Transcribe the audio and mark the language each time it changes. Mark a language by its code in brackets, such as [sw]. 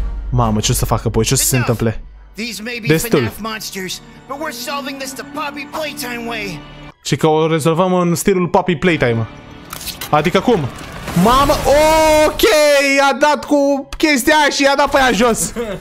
[ro] Mamă, ce o să facă poi? Ce o să se întâmple? Destul. [en] Monsters, but we're solving this the Poppy Playtime way. [ro] Și că o rezolvăm în stilul Poppy Playtime. Adică cum? Mamă, ok, a dat cu chestia și a dat pe aia jos.